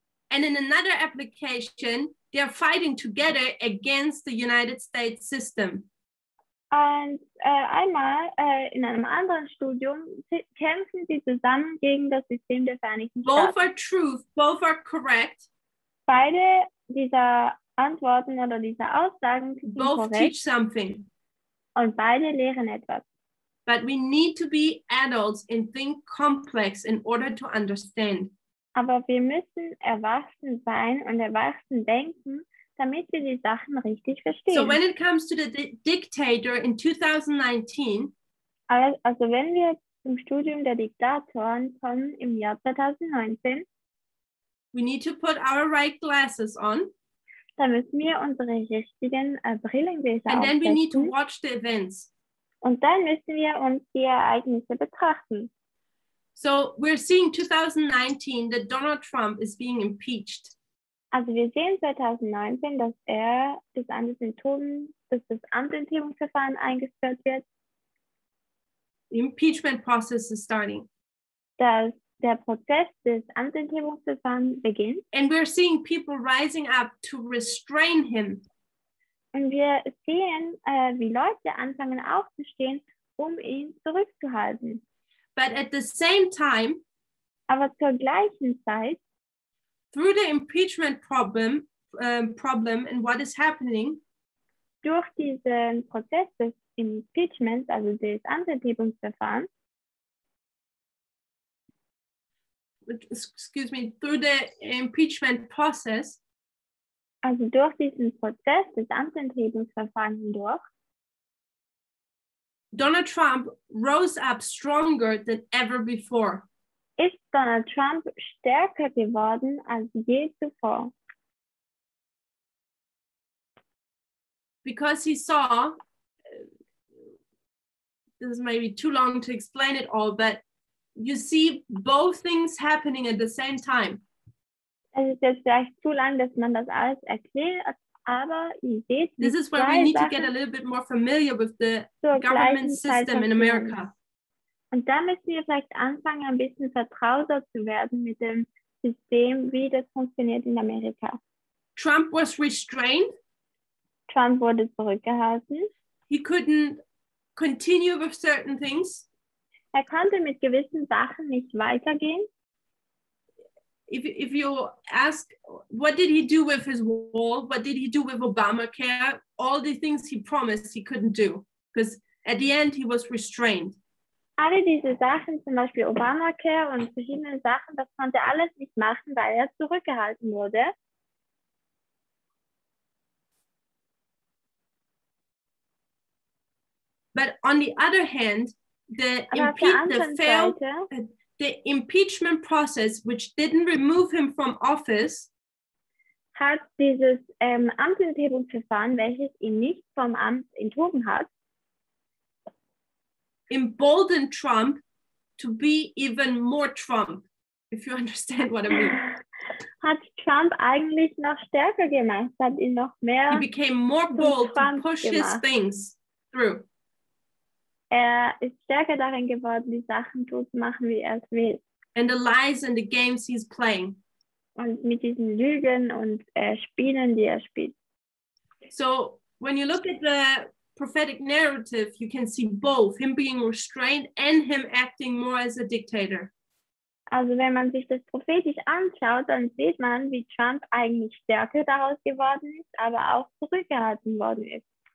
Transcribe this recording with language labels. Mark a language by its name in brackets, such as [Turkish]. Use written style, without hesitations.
[English] And in another application they are fighting together against the United States system. [German] Und einmal in einem anderen Studium kämpfen sie zusammen gegen das System der Vereinigten Staaten. [English] Both are true, both are correct. [German] Beide dieser Antworten oder dieser Aussagen sind [English] both [German] korrekt. [English] Both teach something. [German] Und beide lehren etwas. [English] But we need to be adults and think complex in order to understand. [German] Aber wir müssen erwachsen sein und erwachsen denken, damit wir die Sachen richtig verstehen. [English] So when it comes to the dictator in 2019, [German] also wenn wir zum Studium der Diktatoren kommen im Jahr 2019, [English] we need to put our right glasses on, [German] dann müssen wir unsere richtigen Brillengläser aufsetzen. [English] And then we need to watch the events. [German] Und dann müssen wir uns die Ereignisse betrachten. [English] So we're seeing 2019 that Donald Trump is being impeached. [German] Also wir sehen 2019, dass er des Amtsenthebungs, dass das Amtsenthebungsverfahren eingeführt wird. [English] The impeachment process is starting. [German] Das der Prozess des Amtsenthebungsverfahrens beginnt. [English] And we're seeing people rising up to restrain him. [German] Und wir sehen, wie Leute anfangen aufzustehen, um ihn zurückzuhalten. [English] But at the same time, [German] aber zur gleichen Zeit, [English] through the impeachment problem and what is happening, [German] durch diesen Prozess des Impeachments, also des Amtsenthebungsverfahrens, [English] excuse me, through the impeachment process, [German] also durch diesen Prozess des Amtsenthebungsverfahrens hindurch, [English] Donald Trump rose up stronger than ever before. [German] Ist Donald Trump stärker geworden als je zuvor? [English] Because he saw, this is maybe too long to explain it all, but you see both things happening at the same time. [German] Es ist jetzt vielleicht zu lang, dass man das alles erklärt, aber ihr seht, [English] this is where we need to get a little bit more familiar with the government system in America. [German] Und da müssen wir vielleicht anfangen, ein bisschen vertrauter zu werden mit dem System, wie das funktioniert in Amerika. [English] Trump was restrained. [German] Trump wurde zurückgehalten. [English] He couldn't continue with certain things. [German] Er konnte mit gewissen Sachen nicht weitergehen. [English] If you ask, what did he do with his wall? What did he do with Obamacare? All the things he promised, he couldn't do. Because at the end, he was restrained. [German] Alle diese Sachen, zum Beispiel Obamacare und verschiedene Sachen, das konnte er alles nicht machen, weil er zurückgehalten wurde. [English] But on the other hand, the impeachment process, which didn't remove him from office, [German] hat dieses Amtsenthebungsverfahren, welches ihn nicht vom Amt enthoben hat, [English] emboldened Trump to be even more Trump, if you understand what I mean. [German] Hat Trump eigentlich noch stärker gemacht, hat ihn noch mehr. [English] He became more bold Trump to push gemacht. His things through. [German] Er ist stärker darin geworden, die Sachen so zu machen, wie er es will. [English] And the lies and the games he's playing. [German] Und mit diesen Lügen und Spielen, die er spielt. [English] So, when you look at the prophetic narrative, you can see both him being restrained and him acting more as a dictator. [German] Also, wenn man sich das prophetisch anschaut, dann sieht man, wie Trump eigentlich stärker daraus geworden ist, aber auch zurückgehalten worden ist.